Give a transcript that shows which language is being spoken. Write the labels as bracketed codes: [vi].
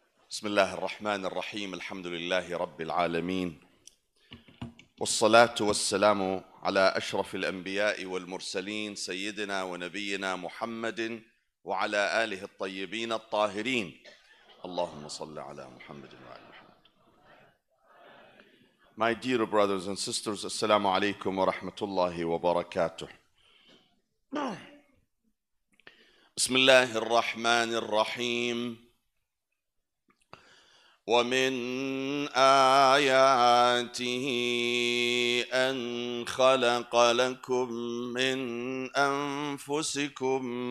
[ar] بسم الله الرحمن الرحيم الحمد لله رب العالمين والصلاة والسلام على أشرف الأنبياء والمرسلين سيدنا ونبينا محمد وعلى آله الطيبين الطاهرين اللهم صل على محمد وعلى محمد. [en] My dear brothers and sisters, [ar] السلام عليكم ورحمة الله وبركاته. بسم الله الرحمن الرحيم ومن آياته أن خلق لكم من أنفسكم